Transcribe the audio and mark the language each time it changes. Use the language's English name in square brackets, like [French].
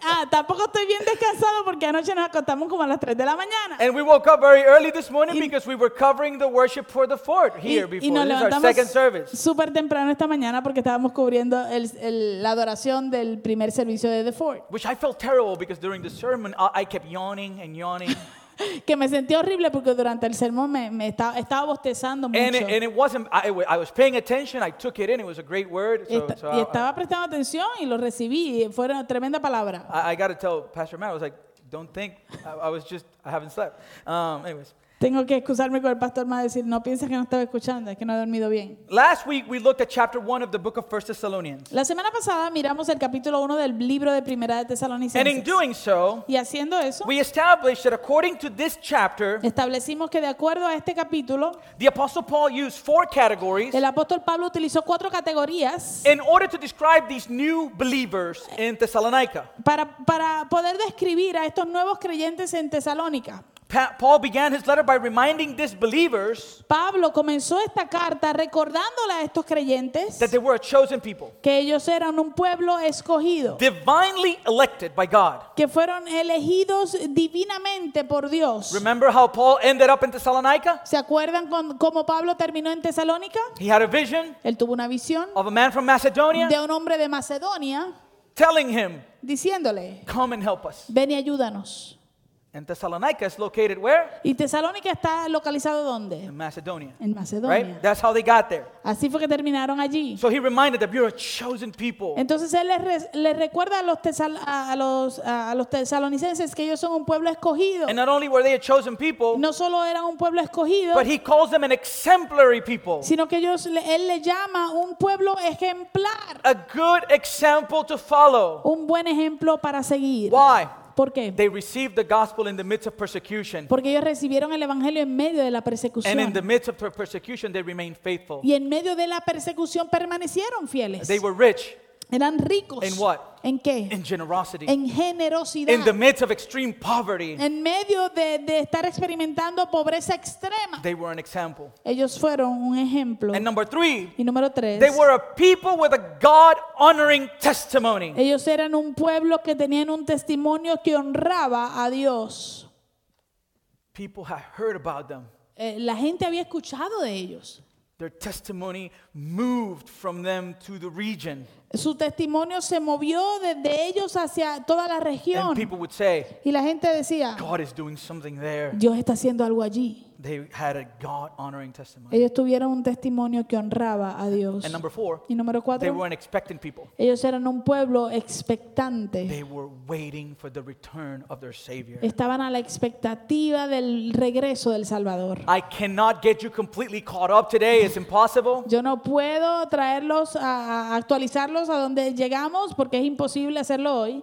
[Spanish] Tampoco estoy bien descansado porque anoche nos acostamos como a las 3 de la mañana. [English] And we woke up very early this morning because we were covering the worship for the fort here before. [Spanish] Y nos levantamos [English] our second service. [Spanish] Super temprano esta mañana porque estábamos cubriendo la adoración del primer servicio de the fort. [English] Which I felt terrible because during the sermon I kept yawning and yawning. [Spanish] Que me sentí horrible porque durante el sermón me estaba bostezando mucho. [English] And it wasn't, I was paying attention, I took it in, it was a great word. [Spanish] Y estaba prestando atención y lo recibí, fue una tremenda palabra. [English] I got to tell Pastor Matt, I was like, don't think, I was just, I haven't slept. Anyways. [Spanish] Tengo que excusarme con el pastor más decir, no pienses que no estaba escuchando, es que no he dormido bien. [English] Last week we looked at chapter 1 of the book of 1 Thessalonians. [Spanish] La semana pasada miramos el capítulo 1 del libro de Primera de Tesalonicenses. [English] And in doing so, [Spanish] y haciendo eso, [English] we established that according to this chapter, [Spanish] establecimos que de acuerdo a este capítulo, [English] the apostle Paul used four categories. [Spanish] El apóstol Pablo utilizó cuatro categorías. [English] In order to describe these new believers in Thessalonica. [Spanish] Para poder describir a estos nuevos creyentes en Tesalónica. [English] Paul began his letter by reminding these believers. [Spanish] Pablo comenzó esta carta recordándole a estos creyentes [English] that they were a chosen people. [Spanish] Que ellos eran un pueblo escogido. [English] Divinely elected by God. [Spanish] Que fueron elegidos divinamente por Dios. [English] Remember how Paul ended up in Thessalonica? [Spanish] ¿Se acuerdan cómo Pablo terminó en Tesalónica? [English] He had a vision. [Spanish] Él tuvo una visión. [English] Of a man from Macedonia. [Spanish] De un hombre de Macedonia. [English] Telling him. [Spanish] Diciéndole. [English] Come and help us. [Spanish] Ven y ayúdanos. [English] And Thessalonica is located where? [Spanish] ¿Y Tesalónica está localizado dónde? [English] In Macedonia. [Spanish] En Macedonia. [English] Right? That's how they got there. [Spanish] Así fue que terminaron allí. [English] So he reminded them, you're a chosen people. [Spanish] Entonces él les recuerda a los tesalonicenses que ellos son un pueblo escogido. [English] And not only were they a chosen people, [Spanish] no solo eran un pueblo escogido, [English] but he calls them an exemplary people. [Spanish] Sino que él le llama un pueblo ejemplar. [English] A good example to follow. [Spanish] Un buen ejemplo para seguir. [English] Why? [Spanish] ¿Por qué? [English] They received the gospel in the midst of persecution. [Spanish] Porque ellos recibieron el evangelio en medio de la persecución. [English] And in the midst of their persecution, they remained faithful. [Spanish] Y en medio de la persecución permanecieron fieles. [English] They were rich. [Spanish] Eran ricos. [English] In what? [Spanish] ¿En qué? [English] In generosity. [Spanish] En generosidad. [English] In the midst of extreme poverty. [Spanish] En medio de estar experimentando pobreza extrema. [English] They were an example. [Spanish] Ellos fueron un ejemplo. [English] And number three. [Spanish] Y número tres. [English] They were a people with a God-honoring testimony. [Spanish] Ellos eran un pueblo que tenían un testimonio que honraba a Dios. [English] People had heard about them. [Spanish] La gente había escuchado de ellos. [English] Their testimony moved from them to the region. [Spanish] Su testimonio se movió desde ellos hacia toda la región. [English] And people would say, [Spanish] y la gente decía, [English] God is doing something there. [Spanish] Dios está haciendo algo allí. [English] They had a God-honoring testimony. [Spanish] Ellos tuvieron un testimonio que honraba a Dios. [English] And number four, [Spanish] y número cuatro, [English] they were an expectant people. [Spanish] Ellos eran un pueblo expectante. [English] They were waiting for the return of their Savior. [Spanish] Estaban a la expectativa del regreso del Salvador. [English] I cannot get you completely caught up today. It's impossible. [Spanish] Yo no puedo traerlos a actualizarlos a donde llegamos porque es imposible hacerlo hoy.